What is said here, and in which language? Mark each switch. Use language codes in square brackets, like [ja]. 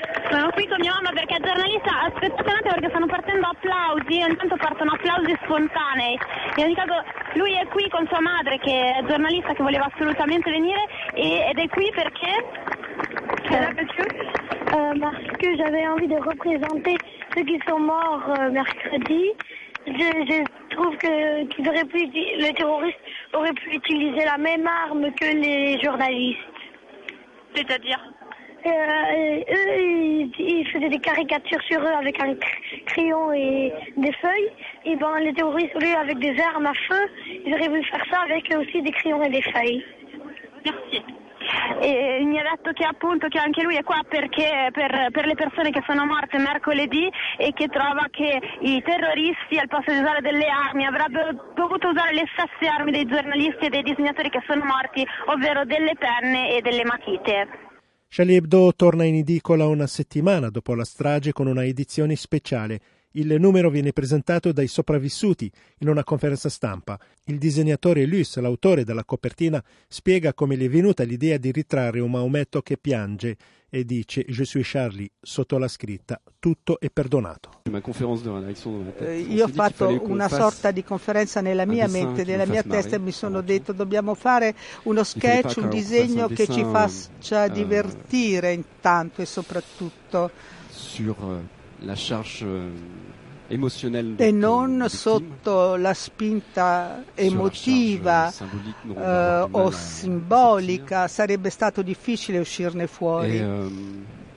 [it] Sono qui con mia mamma perché è giornalista. Aspettate un attimo perché stanno partendo applausi. Intanto partono applausi spontanei. In ogni caso, lui è qui con sua madre, che è giornalista, che voleva assolutamente venire. Ed è qui perché? [fr] Perché j'avais envie de représenter ceux qui sont morts mercredi. Je trouve qu'ils auraient pu, les terroristes auraient pu utiliser la même arme que les journalistes. C'est-à-dire? Eux, ils faisaient des caricatures sur eux avec un crayon et des feuilles. Et ben, les terroristes, lui, avec des armes à feu, ils auraient voulu faire ça avec aussi des crayons et des feuilles. Merci. [it] e mi ha detto che appunto che anche lui è qua perché per le persone che sono morte mercoledì e che trova che i terroristi al posto di usare delle armi avrebbero dovuto usare le stesse armi dei giornalisti e dei disegnatori che sono morti, ovvero delle penne e delle matite. Charlie Hebdo torna in edicola una settimana dopo la strage con una edizione speciale. Il numero viene presentato dai sopravvissuti in una conferenza stampa. Il disegnatore Luis, l'autore della copertina, spiega come gli è venuta l'idea di ritrarre un Maometto che piange e dice [fr] «Je suis Charlie» [it] sotto la scritta «Tutto è perdonato». Io ho fatto una sorta di conferenza nella mia mente, nella mia testa, e mi sono detto «Dobbiamo fare uno sketch, un disegno che ci faccia divertire intanto e soprattutto». [fr] La charge émotionnelle [it] e non sotto la spinta emotiva o simbolica, sarebbe stato difficile uscirne fuori.